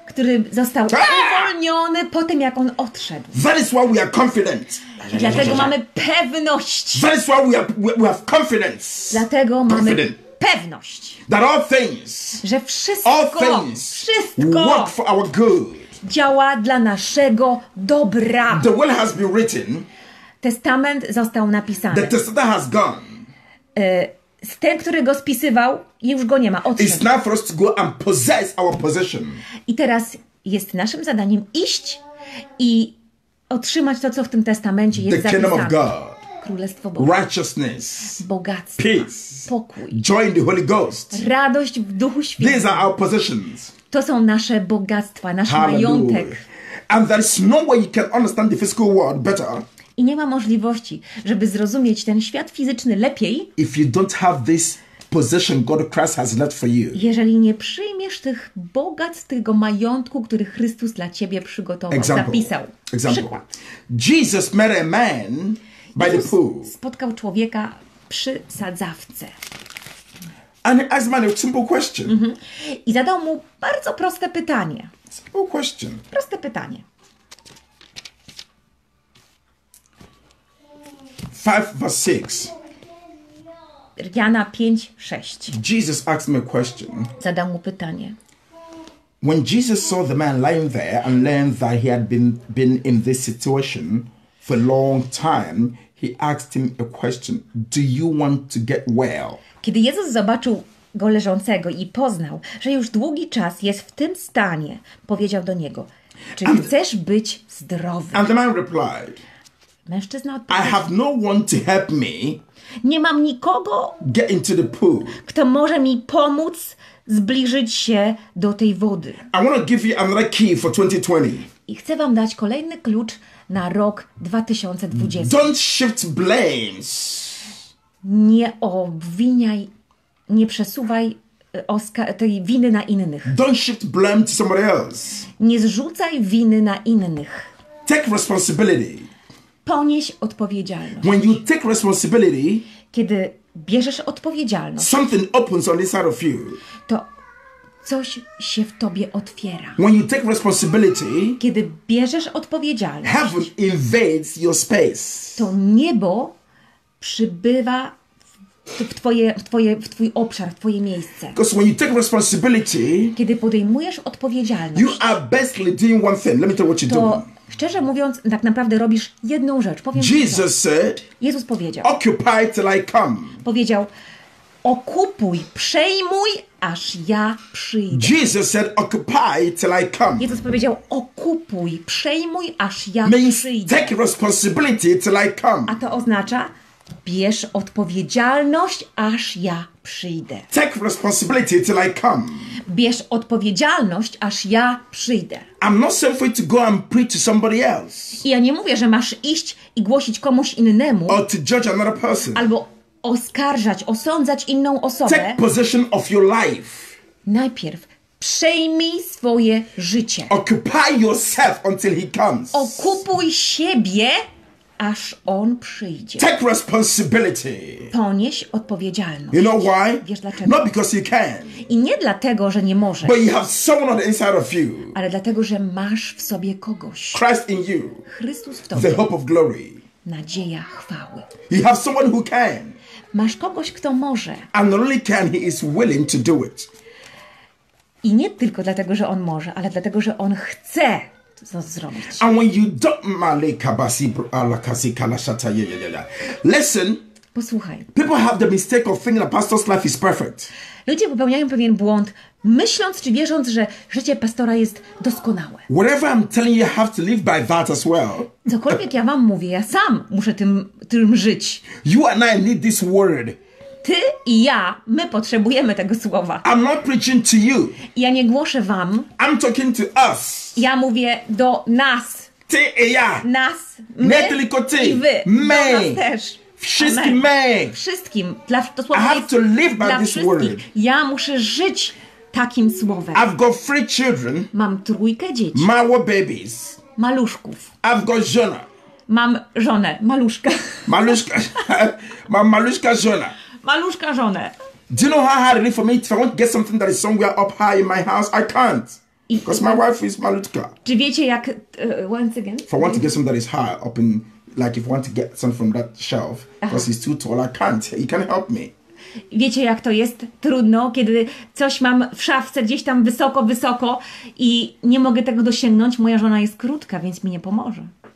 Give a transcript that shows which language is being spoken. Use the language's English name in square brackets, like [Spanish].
[Polish] Który został uwolniony po tym, jak on odszedł. [English] That is why we are confident. [Polish] Dlatego mamy pewność. [English] That is why we have confidence. [Polish] Dlatego mamy pewność, [English] that all things, [Polish] że wszystko [English] work for our good. [Polish] Działa dla naszego dobra. [English] The will has been written. [Polish] Testament został napisany. [English] The testator has gone. [Polish] Ten, który go spisywał, już go nie ma. Odszedł. [English] It's now for us to go and possess our possession. [Polish] I teraz jest naszym zadaniem iść i otrzymać to, co w tym testamencie jest zapisane. [English] The kingdom of God. [Polish] Królestwo Boga. [English] Righteousness. [Polish] Bogactwo. [English] Peace. [Polish] Pokój. [English] Joy in the Holy Ghost. [Polish] Radość w Duchu Świętym. [English] These are our possessions. [Polish] To są nasze bogactwa, nasz majątek. [English] And there is no way you can understand the physical world better. [Polish] I nie ma możliwości, żeby zrozumieć ten świat fizyczny lepiej. [English] If you don't have this possession God Christ has left for you. [Polish] Jeżeli nie przyjmiesz tych bogactw, tego majątku, który Chrystus dla ciebie przygotował, [English] example, [Polish] zapisał. Przykład. [English] Jesus met a man by the pool. [Polish] Spotkał człowieka przy sadzawce. [English] And asked man a simple question. Mm-hmm. [Polish] I zadał mu bardzo proste pytanie. [English] Simple question. [Polish] Proste pytanie. 5:6. Jana 5:6. [English] Jesus asked me a question. [Polish] Zadał mu pytanie. [English] When Jesus saw the man lying there and learned that he had been in this situation for a long time, he asked him a question. Do you want to get well? [Polish] Kiedy Jezus zobaczył go leżącego i poznał, że już długi czas jest w tym stanie, powiedział do niego: czy chcesz być zdrowy? [English] And the man replied. [Polish] Mężczyzna odpowiedział: [English] I have no one to help me. [Polish] Nie mam nikogo. [English] Get into the pool. [Polish] Kto może mi pomóc zbliżyć się do tej wody? [English] I want to give you another key for 2020. [Polish] I chcę wam dać kolejny klucz na rok 2020. [English] Don't shift blames. [Polish] Nie obwiniaj, nie przesuwaj tej winy na innych. [English] Don't shift blame to somebody else. [Polish] Nie zrzucaj winy na innych. [English] Take responsibility. [Polish] Ponieś odpowiedzialność. [English] When you take responsibility, [Polish] kiedy bierzesz odpowiedzialność, [English] something opens on inside of you. [Polish] To coś się w tobie otwiera. [English] When you take responsibility, [Polish] kiedy bierzesz odpowiedzialność, [English] heaven invades your space. [Polish] To niebo przybywa w twój obszar, w twoje miejsce. [English] Because when you take responsibility, [Polish] kiedy podejmujesz odpowiedzialność, [English] you are basically doing one thing. Let me tell you what you're doing. [Polish] Szczerze mówiąc, tak naprawdę robisz jedną rzecz. Powiem [English] Jesus [Polish] co. [English] Said, [Polish] Jezus powiedział. [English] Occupy till I come. [Polish] Powiedział: okupuj, przejmuj, aż ja przyjdę. [English] Jesus said, occupy till I come. [Polish] Jezus powiedział: okupuj, przejmuj, aż ja przyjdę. [English] Take responsibility till I come. [Polish] A to oznacza: bierz odpowiedzialność, aż ja przyjdę. [English] Take responsibility till I come. [Polish] Bierz odpowiedzialność, aż ja przyjdę. [English] I'm not sent for you to go and preach to somebody else. [Polish] I ja nie mówię, że masz iść i głosić komuś innemu. [English] Or to judge another person. [Polish] Albo oskarżać, osądzać inną osobę. [English] Take possession of your life. [Polish] Najpierw przejmij swoje życie. [English] Occupy yourself until he comes. [Polish] Okupuj siebie, aż on przyjdzie. [English] Take responsibility. [Polish] Ponieś odpowiedzialność. [English] You know why? [Polish] Wiesz dlaczego? [English] Not because you can. [Polish] I nie dlatego, że nie możesz. [English] But you have someone on the inside of you. [Polish] Ale dlatego, że masz w sobie kogoś. [English] Christ in you. [Polish] Chrystus w tobie. [English] The hope of glory. [Polish] Nadzieja chwały. [English] You have someone who can. [Polish] Masz kogoś, kto może. [English] And not only can, he is willing to do it. [Polish] I nie tylko dlatego, że on może, ale dlatego, że on chce. [English] And when you don't malika basi alakasi kalashata yeyeyeye. Listen. [Polish] Posłuchaj. [English] People have the mistake of thinking a pastor's life is perfect. [Polish] Ludzie popełniają pewien błąd, myśląc czy wierząc, że życie pastora jest doskonałe. [English] Whatever I'm telling you, you have to live by that as well. [Polish] Cokolwiek ja wam mówię, ja sam muszę tym żyć. [English] You and I need this word. [Polish] Ty i ja, my potrzebujemy tego słowa. [English] I'm not preaching to you. [Polish] Ja nie głoszę wam. [English] I'm talking to us. [Polish] Ja mówię do nas. Ty i ja. Nas. My. Nie tylko ty. I wy. My. Do nas też. Wszystkim. Amen. My. Wszystkim. Dla, to słowo [English] I have [Polish] jest [English] to live by [Polish] dla [English] this [Polish] wszystkich. [English] Word. [Polish] Ja muszę żyć takim słowem. [English] I've got three children. [Polish] Mam trójkę dzieci. Mało [English] babies. [Polish] Maluszków. [English] I've got [Polish] żona. Mam żonę. Maluszka. Maluszka. Mam maluszka żona. maluszka żonę. [English] Do you know how hard it is for me? If I want to get something that is somewhere up high in my house, I can't. Because my wife is [Polish] malutka. Czy wiecie jak, [English] once again? If I want to get something that is high up in, like if I want to get something from that shelf, because it's too tall, I can't. He can't help me. [Polish] Wiecie jak to jest trudno, kiedy coś mam w szafce gdzieś tam wysoko, wysoko i nie mogę tego dosięgnąć. Moja żona jest krótka, więc mi nie pomoże.